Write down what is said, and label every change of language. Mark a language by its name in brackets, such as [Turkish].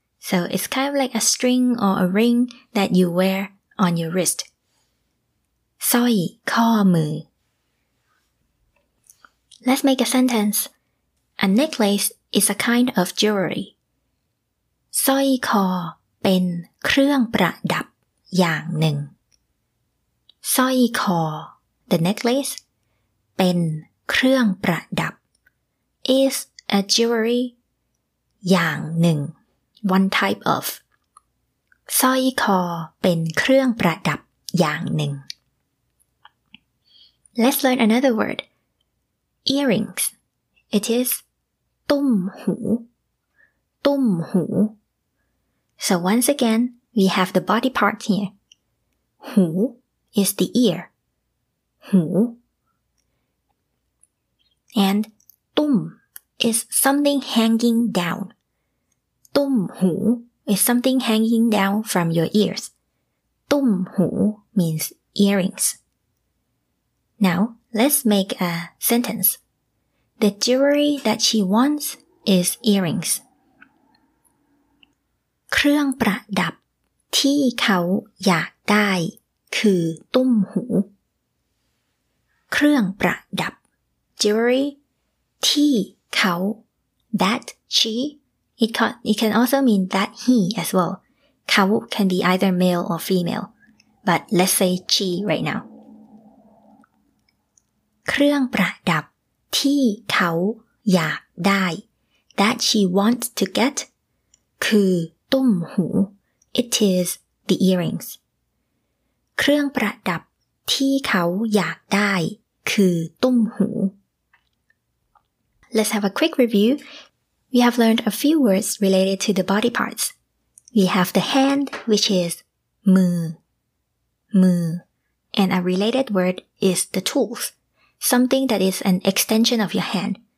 [English] So, it's kind of like a string or a ring that you wear on your wrist. [Thai] สร้อยข้อมือ [English] Let's make a sentence. A necklace is a kind of jewelry. [Thai] สร้อยคอเป็นเครื่องประดับอย่างหนึ่ง สร้อยคอ [English] the necklace, [Thai] เป็นเครื่องประดับ [English] is a jewelry [Thai] อย่างหนึ่ง [English] one type of [Thai] สร้อยคอเป็นเครื่องประดับอย่างหนึ่ง [English] Let's learn another word earrings it is ตุ้มหูตุ้มหู So once again we have the body part here หู is the ear หูAnd tum is something hanging down. Tum hu is something hanging down from your ears. Tum hu means earrings. Now, let's make a sentence. The jewelry that she wants is earrings. [Thai] เครื่องประดับที่เขาอยากได้คือตุ้มหู เครื่องประดับ [English] Jewelry, [Thai] ที่เขา [English] that she, it can also mean that he as well. เขา can be either male or female, but let's say she right now. [Thai] เครื่องประดับที่เขาอยากได้ [English] that she wants to get, [Thai] คือตุ้มหู [English] it is the earrings. [Thai] เครื่องประดับที่เขาอยากได้คือตุ้มหู [English] Let's have a quick review. We have learned a few words related to the body parts. We have the hand, which is มือ มือ and a related word is the tools, something that is an extension of your hand.